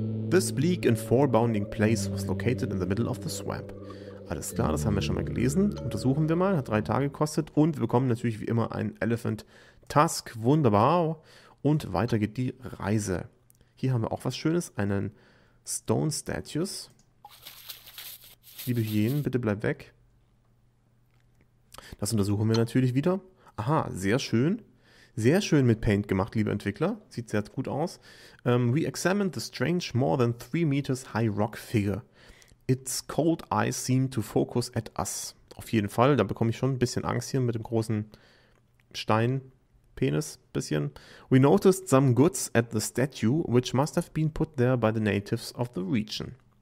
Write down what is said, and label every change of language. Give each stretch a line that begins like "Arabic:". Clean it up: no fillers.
English: This bleak and forebounding place was located in the middle of the swamp.
German: Alles klar, das haben wir schon mal gelesen. Untersuchen wir mal, hat 3 Tage gekostet. Und wir bekommen natürlich wie immer einen Elephant Tusk. Wunderbar. Und weiter geht die Reise. Hier haben wir auch was Schönes, einen Stone Statues. Liebe Hyänen, bitte bleib weg. Das untersuchen wir natürlich wieder. Aha, sehr schön. Sehr schön mit Paint gemacht, liebe Entwickler. Sieht sehr gut aus.
English: We examined the strange more than 3 meters high rock figure. Its cold eyes seem to focus at us.
German: Auf jeden Fall, da bekomme ich schon ein bisschen Angst hier mit dem großen Steinpenis. Bisschen.
English: We noticed some goods at the statue, which must have been put there by the natives of the region.